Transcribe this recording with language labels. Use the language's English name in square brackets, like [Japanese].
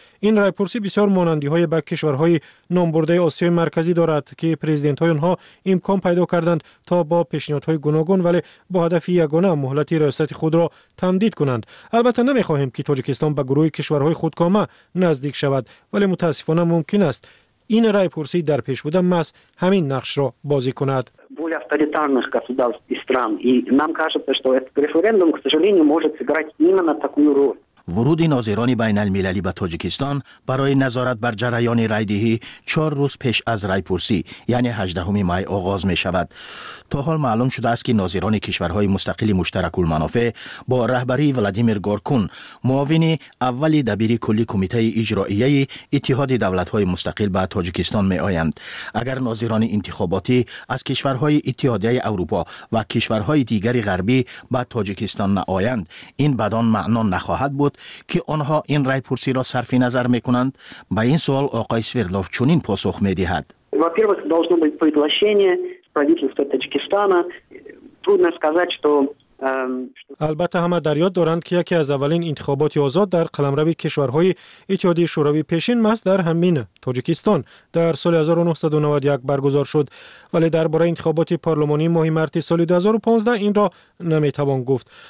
[Persian] این رای پرسی بسیار مانندی های به کشورهای نامبرده آسیای مرکزی دارد که پرزیدنت های آنها امکان پیدا کردند تا با پیشنهادهای گوناگون ولی با هدف یگانه مهلت ریاست خود را تمدید کنند. البته نمی خواهیم که تاجیکستان به گروه کشورهای خودکامه نزدیک شود، ولی متاسفانه ممکن است این رای پرسی در پیش بوده ماست همین نقش را بازی کند. [Russian] более авторитарных государств и стран. И нам кажется, что этот референдум, к сожалению, может сыграть именно такую роль. [Persian] ورود ناظران بین المللی به تاجیکستان برای نظارت بر جریان رای‌دهی 4 روز پیش از رای پرسی یعنی 18 می آغاز می شود. تا حال معلوم شده است که ناظران کشورهای مستقل مشترک المنافع با رهبری ولادیمیر گورکون، معاون اول دبیر کلی کمیته اجرائیه اتحاد دولت‌های مستقل به تاجیکستان می آیند. اگر ناظران انتخاباتی از کشورهای اتحادیه اروپا و کشورهای دیگر غربی به تاجیکستان نآیند، این بدان معنا نخواهد بود که آنها این رای پرسی را صرف نظر می کنند. به این سوال آقای سویردلوف چنین پاسخ می دهد. [Russian] во-первых, должно быть предложение правительства Таджикистана. Трудно сказать, что [Persian] البته همه در یاد دارند که یکی از اولین انتخابات آزاد در قلمرو کشورهای اتحادیه شوروی پیشین ماست در همین تاجیکستان در سال 1991 برگزار شد، ولی درباره انتخابات پارلمانی ماه مارس سال 2015 این را نمیتوان گفت.